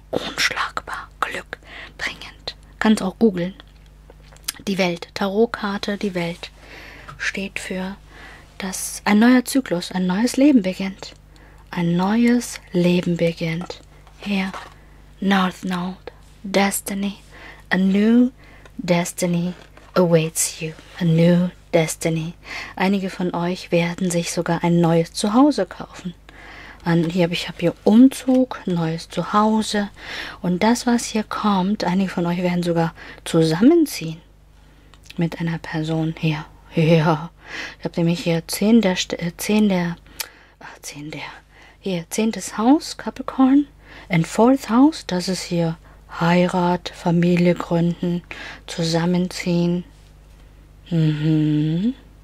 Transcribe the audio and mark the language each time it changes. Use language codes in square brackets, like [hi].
[de] Unschlagbar. Glück bringend. Kannst auch googeln. Die Welt. Tarotkarte. Die Welt. Steht für, dass ein neuer Zyklus, ein neues Leben beginnt. Ein neues Leben beginnt. [en] Hier. North Node. Destiny. A new destiny awaits you. A new destiny. [de] Einige von euch werden sich sogar ein neues Zuhause kaufen. Ich habe hier Umzug, neues Zuhause. Und das, was hier kommt, einige von euch werden sogar zusammenziehen mit einer Person hier. Ja, ich habe nämlich hier zehntes Haus, Capricorn, [en] and fourth House, [de] das ist hier Heirat, Familie gründen, zusammenziehen, und